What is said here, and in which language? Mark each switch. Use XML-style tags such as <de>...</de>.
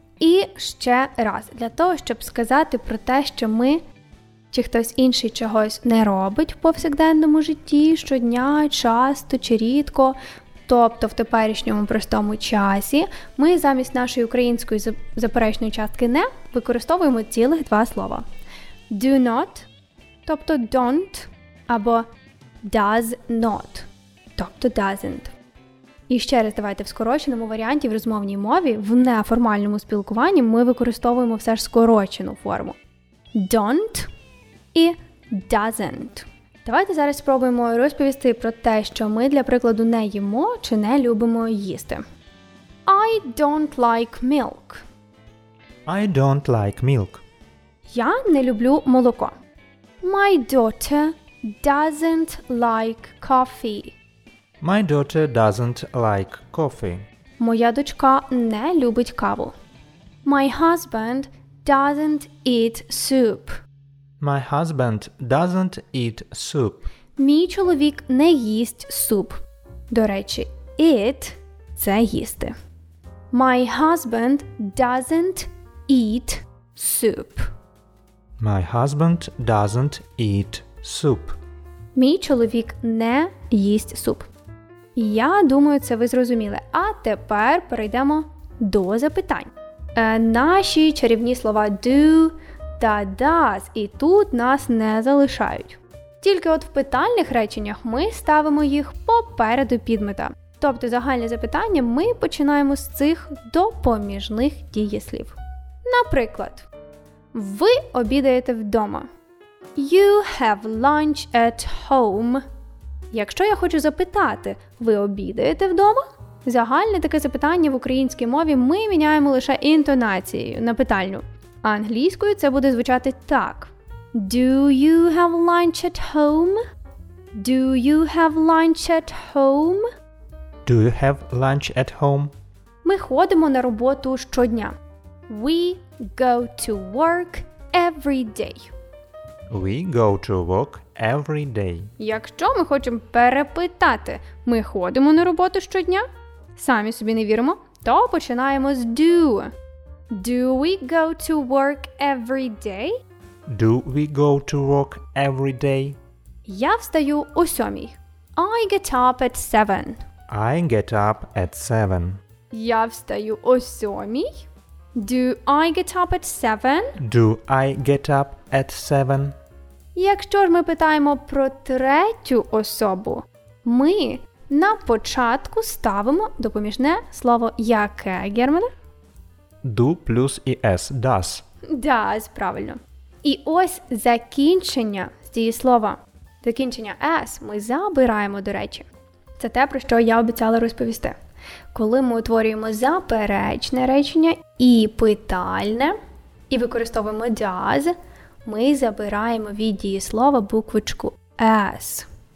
<uk>І ще раз, для того, щоб сказати про те, що ми чи хтось інший чогось не робить в повсякденному житті, щодня, часто чи рідко, тобто в теперішньому простому часі, ми замість нашої української заперечної частки «не» використовуємо цілих два слова.</uk> <en>Do not,</en> <uk>тобто</uk> <en>don't,</en> <uk>або</uk> <en>does not, тобто doesn't.</en> <uk>І ще раз давайте в скороченому варіанті в розмовній мові, в неформальному спілкуванні ми використовуємо все ж скорочену форму.</uk> <en>Don't і doesn't.</en> <uk>Давайте зараз спробуємо розповісти про те, що ми, для прикладу, не їмо чи не любимо їсти.</uk> <en>I don't like milk. I don't like milk.</en> <uk>Я не люблю молоко.</uk> <en>My daughter doesn't like coffee. My daughter doesn't like coffee.</en> <uk>Моя дочка не любить каву.</uk> <en>My husband doesn't eat soup. My husband doesn't eat soup.</en> <uk>Мій чоловік не їсть суп. До речі, eat – це їсти.</uk> <en>My husband doesn't eat soup. My husband doesn't eat soup.</en> <uk>Мій чоловік не їсть суп. Я думаю, це ви зрозуміли. А тепер перейдемо до запитань. Наші чарівні слова do та does і тут нас не залишають. Тільки от в питальних реченнях ми ставимо їх попереду підмета. Тобто загальне запитання ми починаємо з цих допоміжних дієслів. Наприклад, ви обідаєте вдома.</uk> <en>You have lunch at home.</en> <uk>Якщо я хочу запитати, ви обідаєте вдома? Загальне таке запитання в українській мові ми міняємо лише інтонацією на питальню. Англійською це буде звучати так.</uk> <en>Do you have lunch at home? Do you have lunch at home? Do you have lunch at home?</en> <uk>Ми ходимо на роботу щодня.</uk> <en>We go to work every day. We go to work every day.</en> <uk>Якщо ми хочемо перепитати, ми ходимо на роботу щодня? Самі собі не віримо, то починаємо з do.</uk> <en>Do we go to work every day? Do we go to work every day?</en> <uk>Я встаю о 7.</uk> <en>I get up at 7. I get up at 7.</en> <uk>Я встаю о 7.</uk> <en>Do I get up at 7? Do I get up at 7?</en> <uk>Якщо ж ми питаємо про третю особу, ми на початку ставимо допоміжне слово яке, Германе?</uk> <en>Do плюс ES, does.</en> <uk>Does, правильно. І ось закінчення з дієслова. Закінчення S ми забираємо, до речі. Це те, про що я обіцяла розповісти. Коли ми утворюємо заперечне речення і питальне, і використовуємо does, ми забираємо від дієслова буквочку S.</uk>